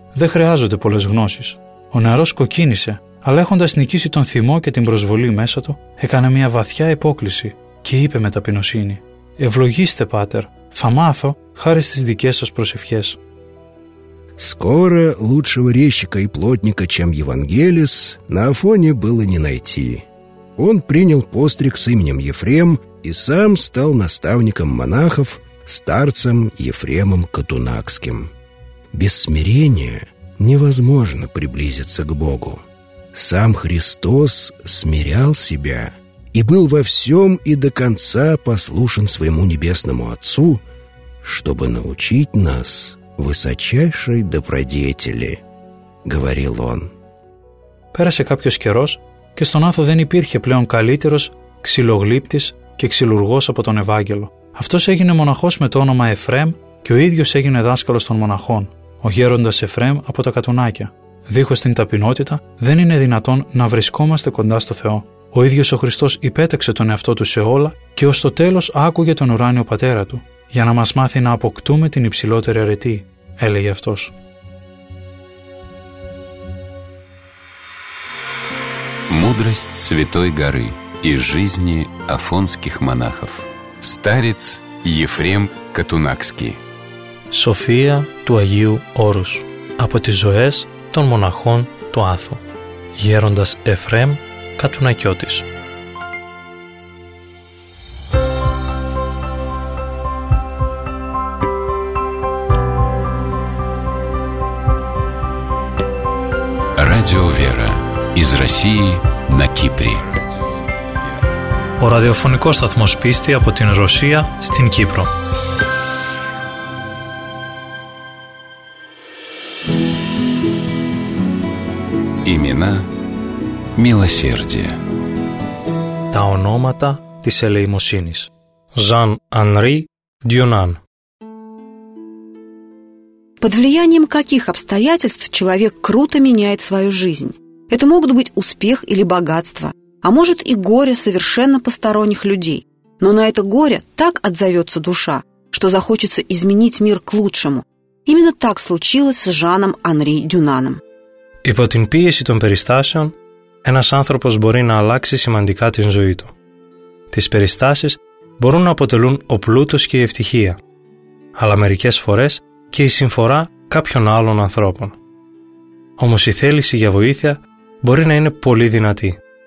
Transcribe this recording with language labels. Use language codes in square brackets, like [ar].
[el] Δεν χρειάζονται πολλές γνώσεις». Ο νεαρός κοκκίνησε, αλλά έχοντας νικήσει τον θυμό και την προσβολή μέσα του, έκανε μια βαθιά υπόκληση και είπε με ταπεινοσύνη: «Ευλογήστε, Πάτερ, θα μάθω χάρη στις δικές σας προσευχές». [ru] Скоро лучшего резчика и плотника, чем Евангелис, на Афоне было не найти. он принял постриг с именем Ефрем и сам стал наставником монахов, старцем Ефремом Катунакским. Без смирения невозможно приблизиться к Богу. Сам Христос смирял себя и был во всем и до конца послушен своему небесному Отцу, чтобы научить нас высочайшей добродетели, говорил он. [el] Πέρασε κάποιος καιρός και στον Άθο δεν υπήρχε πλέον καλύτερος ξυλογλύπτης και ξυλουργός από τον Ευάγγελο. Αυτός έγινε μοναχός με το όνομα Εφρέμ και ο ίδιος έγινε δάσκαλος των μοναχών, ο γέροντας Εφρέμ από τα Κατουνάκια. Δίχως την ταπεινότητα δεν είναι δυνατόν να βρισκόμαστε κοντά στο Θεό. Ο ίδιος ο Χριστός υπέταξε τον εαυτό του σε όλα και ως το τέλος άκουγε τον ουράνιο πατέρα του, για να μας μάθει να αποκτούμε την υψηλότερη αρετή, έλεγε αυτός. [ru] Мудрость Святой Горы из жизни афонских монахов. Старец Ефрем Катунакский. [el] София του Αγίου Όρους. Από τις ζωές των μοναχών του Άθου. Γέροντας Εφρέμ Κατουνακιώτης. [ru] Радио Вера. Из России на Кипре. [el] Ο ραδιοφωνικός σταθμός πίστη από την Ρωσία στην Κύπρο. [ru] Имена милосердия. [el] Τα ονόματα της ελεημοσύνης. Ζαν Ανρί Дюнан. [ru] Под влиянием каких обстоятельств человек круто меняет свою жизнь? Это могут быть успех или богатство, а может и горе совершенно посторонних людей. Но на это горе так отзовется душа, что захочется изменить мир к лучшему. Именно так случилось с Жаном Анри Дюнаном. [el] Υπό την πίεση των περιστάσεων, ένας άνθρωπος μπορεί να αλλάξει σημαντικά την ζωή του. Τις περιστάσεις μπορούν να αποτελούν ο πλούτος και η ευτυχία, αλλά μερικές φορές και η συμφορά κάποιων άλλων ανθρώπων. Όμως η θέληση για βοήθεια μπορεί να είναι πολύ δυνατή.